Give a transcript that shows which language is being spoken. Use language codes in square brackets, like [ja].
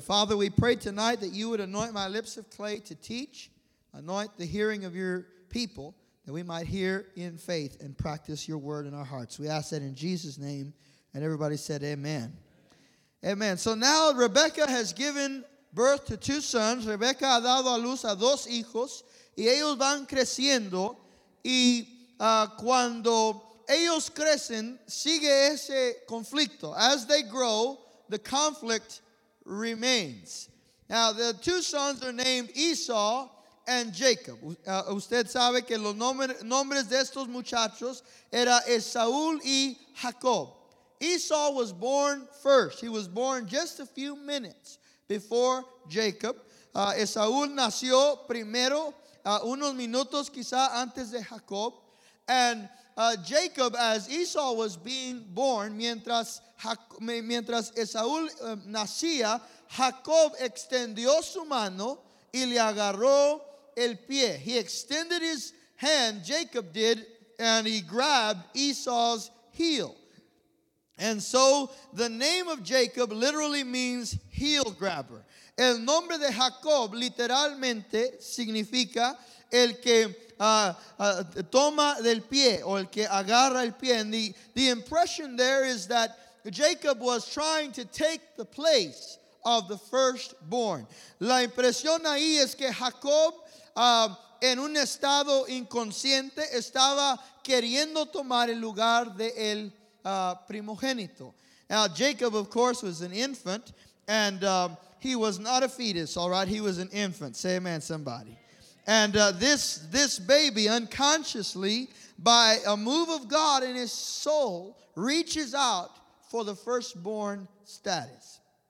[en] Father, we pray tonight that you would anoint my lips of clay to teach, anoint the hearing of your people, that we might hear in faith and practice your word in our hearts. We ask that in Jesus' name, and everybody said amen. Amen. So now Rebecca has given birth to two sons. [es] Rebecca ha dado a luz a dos hijos, y ellos van creciendo, y cuando ellos crecen, sigue ese conflicto. [en] As they grow, the conflict remains. Now, the two sons are named Esau and Jacob. [es] Usted sabe que los nombres de estos muchachos era Esaú y Jacob. [en] Esau was born first. He was born just a few minutes before Jacob. [es] Esaú nació primero, unos minutos quizá antes de Jacob. [en] And Jacob, as Esau was being born, [es] mientras Esaú nacía, Jacob extendió su mano y le agarró el pie. [en] He extended his hand, Jacob did, and he grabbed Esau's heel. And so the name of Jacob literally means heel grabber. [es] El nombre de Jacob literalmente significa el que toma del pie o el que agarra el pie. [en] And the impression there is that Jacob was trying to take the place of the firstborn. [es] La impresión ahí es que Jacob, en un estado inconsciente, estaba queriendo tomar el lugar de el primogénito. [en] Now, Jacob, of course, was an infant, and he was not a fetus, all right? He was an infant. Say amen, somebody. And this baby, unconsciously, by a move of God in his soul, reaches out for the firstborn status.